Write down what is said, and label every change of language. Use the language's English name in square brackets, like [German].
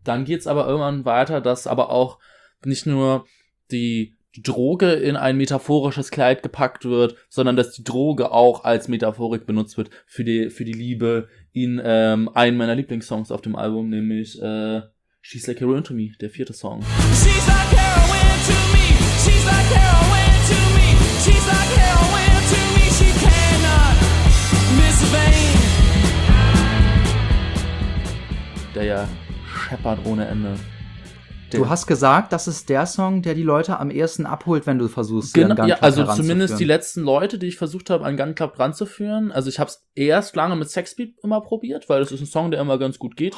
[German] Dann geht's aber irgendwann weiter, dass aber auch nicht nur die Droge in ein metaphorisches Kleid gepackt wird, sondern dass die Droge auch als Metaphorik benutzt wird für die Liebe in einen meiner Lieblingssongs auf dem Album, nämlich She's Like Heroin to Me, der vierte Song. [English] She's like heroin to me, she's like heroin to me, she's like heroin to me, she cannot miss a vein. [German] Der ja scheppert ohne Ende. Du hast gesagt, das ist der Song, der die Leute am ehesten abholt, wenn du versuchst, den Gun Club ranzuführen. Also zumindest die letzten Leute, die ich versucht habe, an Gun Club ranzuführen. Also ich habe es erst lange mit Sexbeat immer probiert, weil das ist ein Song, der immer ganz gut geht.